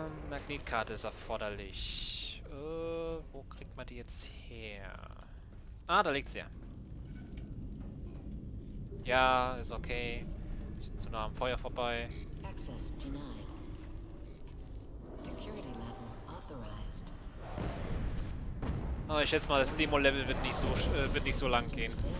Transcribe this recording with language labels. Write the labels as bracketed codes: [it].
[de] Magnetkarte ist erforderlich. Wo kriegt man die jetzt her? Ah, da liegt sie ja. Ja, ist okay. Ich bin zu nah am Feuer vorbei. [en] Access denied. Security level authorized. [de] Aber ich schätze mal, das Demo-Level wird nicht so lang gehen.